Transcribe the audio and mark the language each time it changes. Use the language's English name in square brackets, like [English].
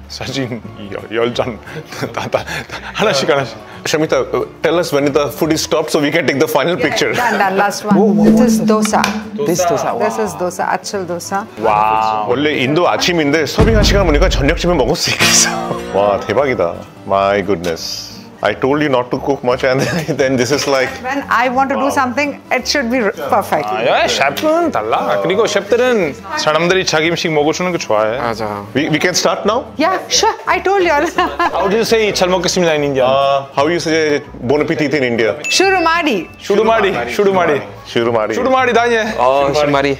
[Korean] 사진 열 잔 하나씩 하나씩. [English] Shamita, tell us when the food is stopped so we can take the final picture. Yeah, done, done. Last one. Whoa, this is dosa. This dosa. This is dosa. Actual dosa. Wow. [Korean] 원래 인도 아침인데 서빙한 시간 보니까 저녁쯤에 먹을 수 있겠어. 와 대박이다. [English] My goodness. I told you not to cook much and then this is like when I want to wow. do something it should be perfect. [Korean] 아, 야, 셰프는 달라. 그리고 셰프들은 사람들이 자기 음식 먹어 주는 거 좋아해. 맞아. [English] We can start now? Yeah, sure. I told you. How do you say [Korean] 잘 먹겠습니다 [English] in India? How you say bon appetit in India? Shurumari. Shurumari. Shurumari. Shurumari. Shurumari 다니엘. 어, Shurumari.